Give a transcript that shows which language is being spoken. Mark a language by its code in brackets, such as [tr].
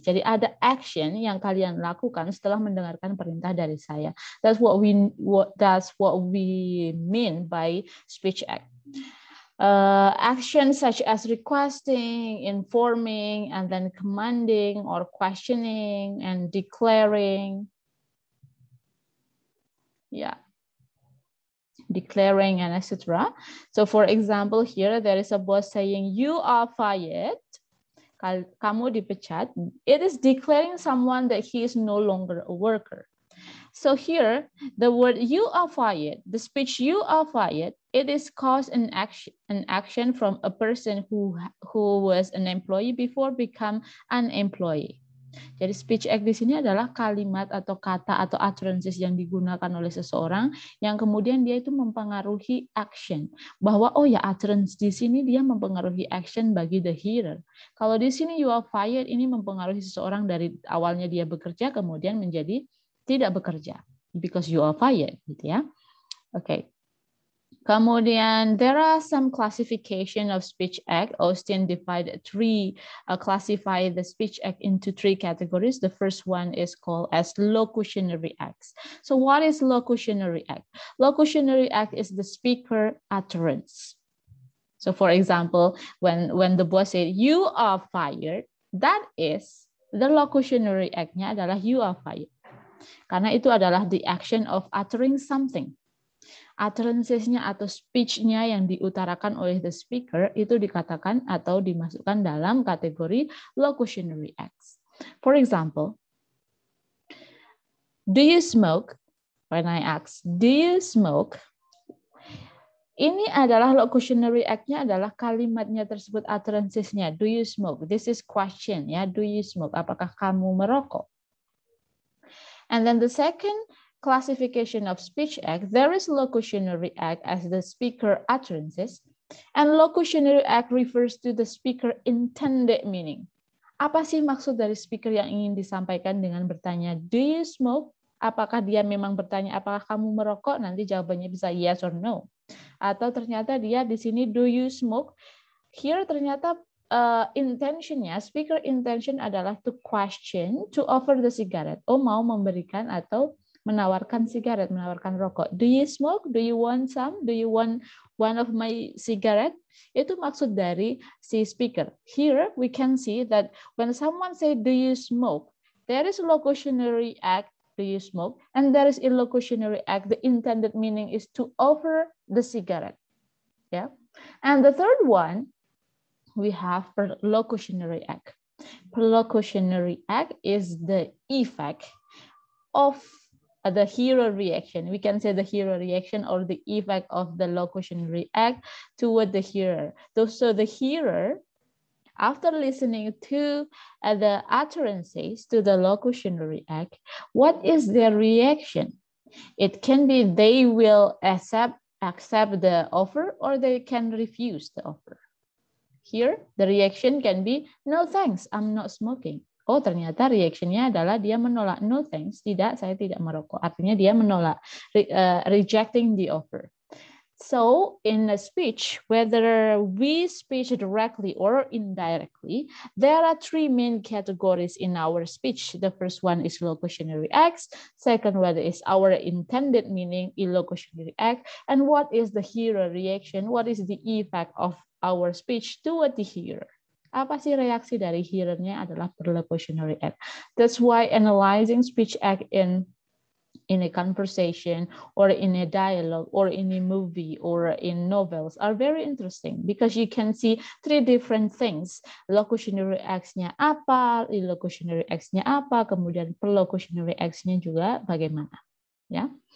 [id] Jadi ada action yang kalian lakukan setelah mendengarkan perintah dari saya. [en] That's what we mean by speech act. Actions such as requesting, informing, and then commanding or questioning and declaring. Yeah. Declaring and etc. So for example, here there is a boss saying, you are fired. [id] Kamu dipecat. [en] It is declaring someone that he is no longer a worker. So here, the word you are fired, the speech you are fired, it is caused an action from a person who was an employee before become an employee. [id] Jadi speech act di sini adalah kalimat atau kata atau utterances yang digunakan oleh seseorang yang kemudian dia itu mempengaruhi action. Bahwa oh ya, utterance di sini dia mempengaruhi action bagi the hearer. Kalau di sini [en] you are fired, [id] ini mempengaruhi seseorang dari awalnya dia bekerja kemudian menjadi tidak bekerja, [en] because you are fired, [id] gitu ya. [en] Okay. [id] Kemudian, [en] there are some classification of speech act. Austen divided classified the speech act into three categories. The first one is called as locutionary acts. So what is locutionary act? Locutionary act is the speaker utterance. So for example, when the boss said, you are fired, that is the locutionary act-nya adalah you are fired. [id] Karena itu adalah [en] the action of uttering something. [id] Utterances-nya atau speech-nya yang diutarakan oleh the speaker itu dikatakan atau dimasukkan dalam kategori locutionary acts. [en] For example, do you smoke? When I ask, do you smoke? [id] Ini adalah locutionary act-nya adalah kalimatnya tersebut, utterances-nya. [en] Do you smoke? This is question, ya. Do you smoke? [id] Apakah kamu merokok? [en] And then the second classification of speech act, there is locutionary act as the speaker utterances. And locutionary act refers to the speaker intended meaning. [id] Apa sih maksud dari speaker yang ingin disampaikan dengan bertanya, [en] do you smoke? [id] Apakah dia memang bertanya, apakah kamu merokok? Nanti jawabannya bisa [en] yes or no. [id] Atau ternyata dia di sini, [en] do you smoke? Here [id] ternyata [en] Intentionnya, speaker intention [id] adalah [en] to question, to offer the cigarette. [id] Oh, mau memberikan atau menawarkan cigarette, menawarkan rokok. [en] Do you smoke? Do you want some? Do you want one of my cigarette? [id] Itu maksud dari si speaker. [en] Here, we can see that when someone say, do you smoke? There is locutionary act, do you smoke? And there is illocutionary act, the intended meaning is to offer the cigarette. Yeah. And the third one, we have perlocutionary act. Perlocutionary act is the effect of the hero reaction. We can say the hero reaction or the effect of the locutionary act toward the hearer. So the hearer, after listening to the utterances to the locutionary act, what is their reaction? It can be they will accept the offer or they can refuse the offer. Here, the reaction can be, no thanks, I'm not smoking. [id] Oh, ternyata reaction-nya adalah dia menolak. [en] No thanks, [id] tidak, saya tidak merokok. Artinya dia menolak, [en] rejecting the offer. So, in a speech, whether we speak directly or indirectly, there are three main categories in our speech. The first one is locutionary acts. Second one is our intended meaning, illocutionary act. And what is the hearer reaction? What is the effect of our speech toward the hearer. [id] Apa sih reaksi dari hearernya adalah perlocutionary act. [en] That's why analyzing speech act in a conversation or in a dialogue or in a movie or in novels are very interesting because you can see three different things. [id] Locutionary acts-nya apa, illocutionary acts-nya apa, kemudian perlocutionary acts-nya juga bagaimana. Ya.